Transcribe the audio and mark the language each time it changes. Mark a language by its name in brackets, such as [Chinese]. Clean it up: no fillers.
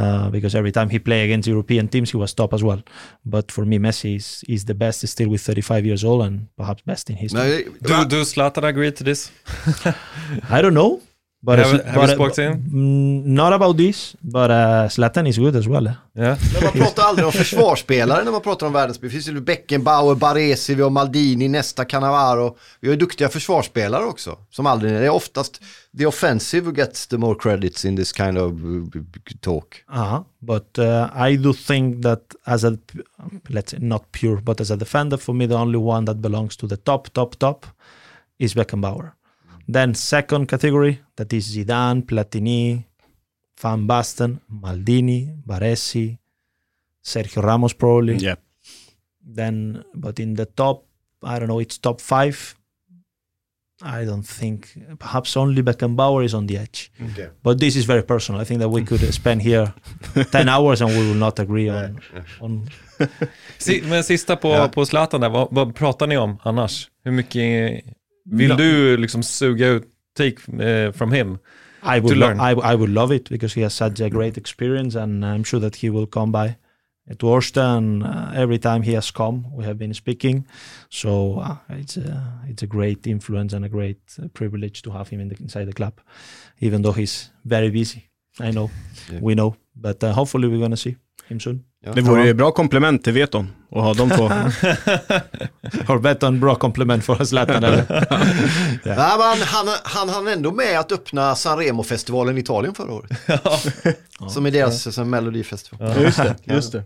[English] Because every time he played against European teams, he was top as well. But for me, Messi is the best still with 35 years old and perhaps best in history. Do Zlatan agree to this? I don't know. But have you spoken to him? Not about this, but Zlatan is good as well. [Swedish] Men man pratar aldrig om försvarsspelare när man pratar om världens spelare. Det finns ju Beckenbauer, Baresi, vi har Maldini, nästa Cannavaro. Vi har ju duktiga försvarsspelare också. Som aldrig, det är oftast [English] the offensive who gets the more credits in this kind of talk. But I do think that as a, let's say not pure, but as a defender, for me the only one that belongs to the top is Beckenbauer. Then second category, that is Zidane, Platini, Van Basten, Maldini, Baresi, Sergio Ramos probably. Yeah. Then, but in the top, I don't know, it's top 5. I don't think, perhaps only Beckenbauer is on the edge. Okay. But this is very personal. I think that we could spend here 10 hours and we will not agree on. [Swedish] Men sista på Zlatan där, vad pratar ni om annars? Hur mycket... Vill du liksom suga ut [English] take from him? I would love it because he has such a great experience and I'm sure that he will come by at Årsta and every time he has come we have been speaking. So it's a great influence and a great privilege to have him inside the club, even though he's very busy. I know, yeah. We know, but hopefully we're going to see him soon. [Swedish] Ja. Det vore ju bra komplement till Veton att ha dem två. Har Veton bra komplement för Zlatan eller? Ja. Nej, men han hann ändå med att öppna Sanremo-festivalen i Italien förra året. Ja. Som är deras som melodifestival. Ja. Just det.